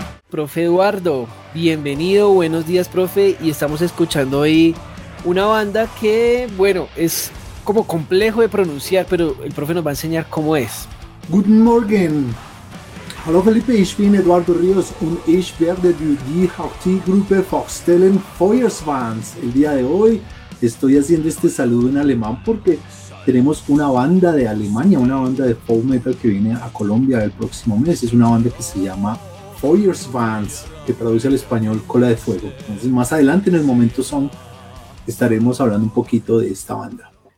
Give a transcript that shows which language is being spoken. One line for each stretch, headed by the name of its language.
Spanish: Profe Eduardo, bienvenido, buenos días, profe, y estamos escuchando hoy una banda que, bueno, es como complejo de pronunciar, pero el profe nos va a enseñar cómo es.
German: Guten Morgen. Hallo Felipe, ich bin Eduardo Ríos und ich werde die Hauptgruppe vorstellen, Feuerschwanz.
Spanish: El día de hoy estoy haciendo este saludo en alemán porque tenemos una banda de Alemania, una banda de folk metal que viene a Colombia el próximo mes. Es una banda que se llama Feuerschwanz, que traduce al español cola de fuego. Entonces, más adelante en el momento son, estaremos hablando un poquito de esta banda.